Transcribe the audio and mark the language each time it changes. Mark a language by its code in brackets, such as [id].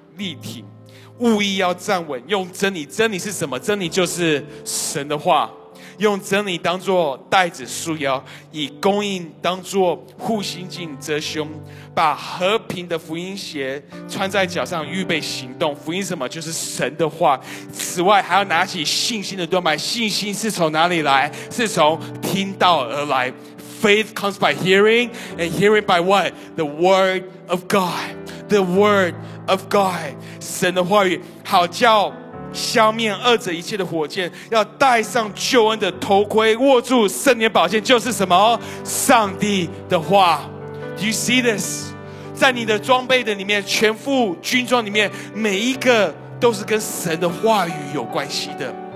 [zh] 立体务必要站稳，用真理，真理是什么？真理就是神的话，用真理当作带子束腰，以公义当作护心镜遮胸，把和平的福音鞋穿在脚上，预备行动。福音什么？就是神的话。此外还要拿起信心的盾牌，信心是从哪里来？是从听到而来。 [en] Faith comes by hearing, and hearing by what? The word of God. The word of God. [zh] 神的话语，好叫消灭恶者一切的火箭，要戴上救恩的头盔，握住圣灵宝剑，就是什么？上帝的话。 [en] Do you see this? [zh] 在你的装备的里面，全副军装里面，每一个都是跟神的话语有关系的。